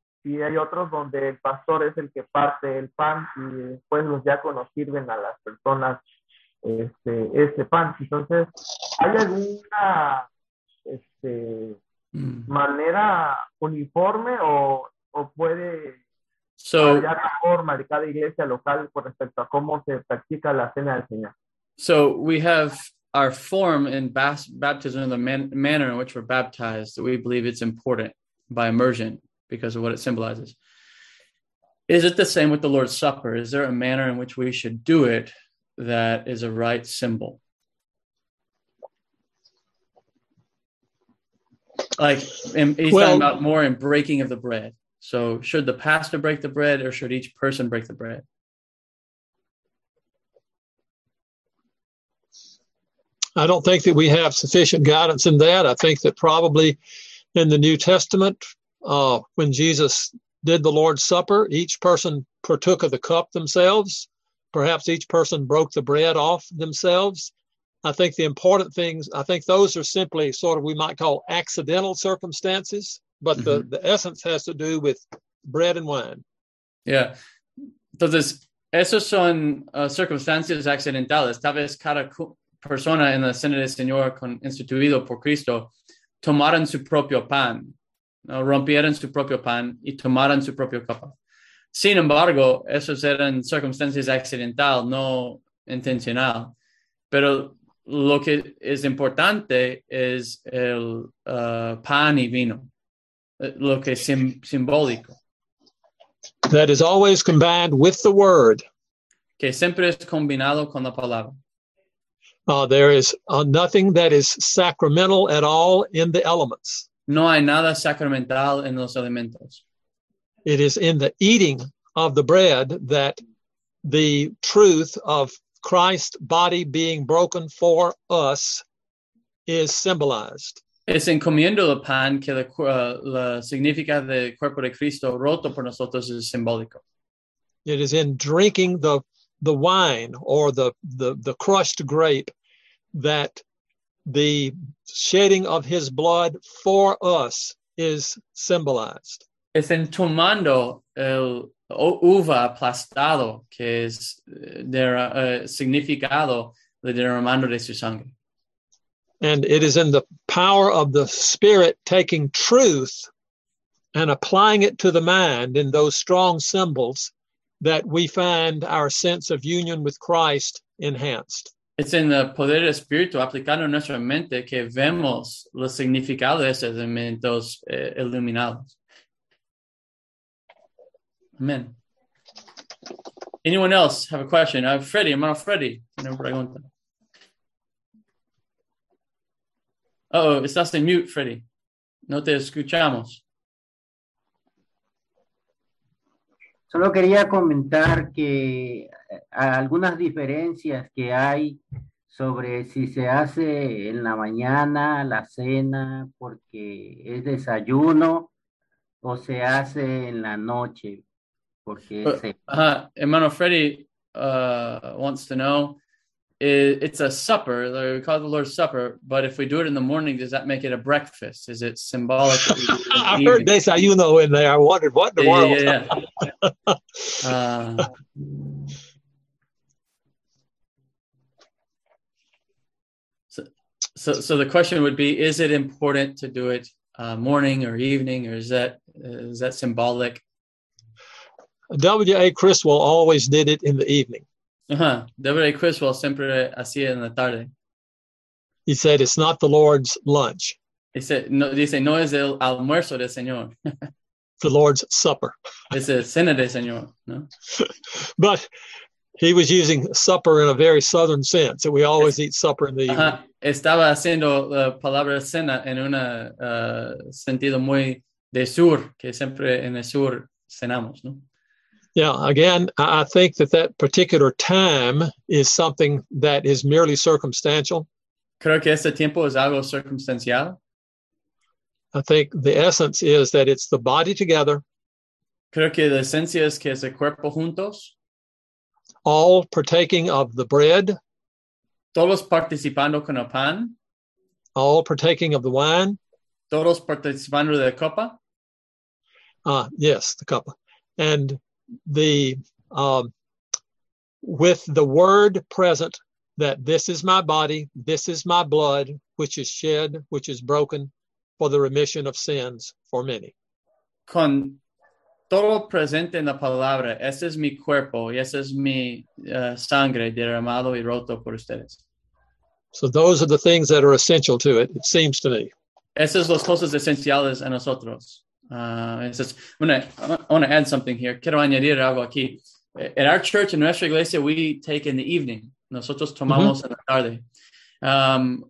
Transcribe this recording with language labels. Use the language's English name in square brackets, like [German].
[Spanish] Y hay otros donde el pastor es el que parte el pan y después los diáconos sirven a las personas este pan. Entonces, ¿hay alguna manera uniforme o puede variar la forma de cada iglesia local con respecto a cómo se practica la cena del Señor? [English] So we have our form in baptism and the manner in which we're baptized. We believe it's important by immersion because of what it symbolizes. Is it the same with the Lord's Supper? Is there a manner in which we should do it that is a right symbol? Like, he's talking about more in breaking of the bread. So should the pastor break the bread or should each person break the bread? I don't think that we have sufficient guidance in that. I think that probably in the New Testament, when Jesus did the Lord's Supper, each person partook of the cup themselves. Perhaps each person broke the bread off themselves. I think the important things, I think those are simply sort of, we might call accidental circumstances, but the essence has to do with bread and wine. [Spanish] Yeah. Entonces, esos son circunstancias accidentales. Tal vez cada persona en la cena del Señor instituido por Cristo tomaron su propio pan, ¿no? Rompieron su propio pan y tomaron su propio copa. Sin embargo, esos eran circunstancias accidental, no intencional. Pero lo que es importante es el pan y vino, lo que es simbólico. [English] That is always combined with the word. [Spanish] Que siempre es combinado con la palabra. [English] There is nothing that is sacramental at all in the elements. [Spanish] No hay nada sacramental en los alimentos. [English] It is in the eating of the bread that the truth of Christ's body being broken for us is symbolized. [Spanish] Es en comiendo el pan que la significa del cuerpo de Cristo roto por nosotros es simbólico. [English] It is in drinking the wine or the crushed grape that the shedding of his blood for us is symbolized. [Spanish] Es en tomando el uva aplastado que es significado de derramando de su sangre. [English] And it is in the power of the Spirit taking truth and applying it to the mind in those strong symbols that we find our sense of union with Christ enhanced. It's in the [Spanish] poder del Espíritu aplicando en nuestra mente que vemos los significados de esos elementos iluminados. [English] Amen. Anyone else have a question? I'm Freddy. I'm not Freddy. [Spanish] Uh-oh, estás en mute, Freddy. No te escuchamos. Solo quería comentar que algunas diferencias que hay sobre si se hace en la mañana la cena porque es desayuno o se hace en la noche porque es [English] Hermano Freddy wants to know, it's a supper, like we call it the Lord's Supper, but if we do it in the morning, does that make it a breakfast? Is it symbolic? I heard desayuno in there. I wondered what in the world. Yeah. So the question would be, is it important to do it morning or evening, or is that symbolic? W.A. Criswell always did it in the evening. [Spanish] W.A. Criswell siempre hacía en la tarde. [English] He said, it's not the Lord's lunch. He said, [Spanish] no, dice, no es el almuerzo del Señor. [English] The Lord's supper. [Spanish] Es el cena del Señor, ¿no? [English] But He was using supper in a very southern sense, that we always eat supper in the evening. [Spanish] Estaba haciendo la palabra cena en un sentido muy de sur, que siempre en el sur cenamos, ¿no? [English] Yeah, again, I think that that particular time is something that is merely circumstantial. [Spanish] Creo que ese tiempo es algo circunstancial. [English] I think the essence is that it's the body together. [Spanish] Creo que la esencia es que es el cuerpo juntos. [English] All partaking of the bread. [Spanish] Todos participando con el pan. [English] All partaking of the wine. [Spanish] Todos participando de la copa. [English] Yes, the copa. And the with the word present, that this is my body, this is my blood, which is shed, which is broken for the remission of sins for many. [Spanish] Con todo presente en la palabra, este es mi cuerpo y esta es mi sangre derramado y roto por ustedes. [English] So those are the things that are essential to it, it seems to me. [Spanish] Esas son las cosas esenciales a nosotros. [English] I want to add something here. [Spanish] Quiero añadir algo aquí. [English] In our church, in [Spanish] nuestra iglesia, [English] we take in the evening. [Spanish] Nosotros tomamos en la tarde.